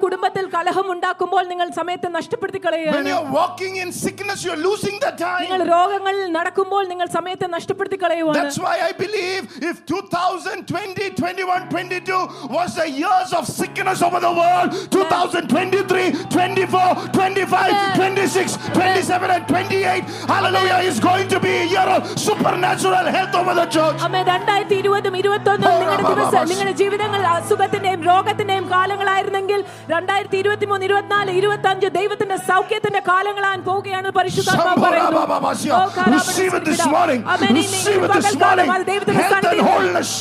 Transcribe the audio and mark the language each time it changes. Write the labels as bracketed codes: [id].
[ml] കുടുംബത്തിൽ കലഹം ഉണ്ടാക്കുമ്പോൾ നിങ്ങൾ സമയത്തെ നഷ്ടപ്പെടുത്തി കളയുകയാണ്. രോഗങ്ങളിൽ നടക്കുമ്പോൾ നിങ്ങൾ സമയത്തെ നഷ്ടപ്പെടുത്തി കളയുകയാണ്. [en] That's why I believe if 2020, 21, 22 was the years of sickness over the world, 2023, 24, 25, 26, 27 and 28, hallelujah, is going to be a year of supernatural health over the church. Amen. [ml] 2020 21 നിങ്ങളുടെ ദിവസം നിങ്ങളുടെ ജീവിതങ്ങൾ അസുഖത്തിന്റെയും രോഗത്തിന്റെയും കാലങ്ങളായിരുന്നെങ്കിൽ 2023 24 25 ദൈവത്തിന്റെ സൗഖ്യത്തിന്റെ കാലങ്ങളാണ് പോവുകയാണ് പരിശുദ്ധാത്മാവ് പറയുന്നു. [en] Receive this morning. Receive this morning. Health and wholeness.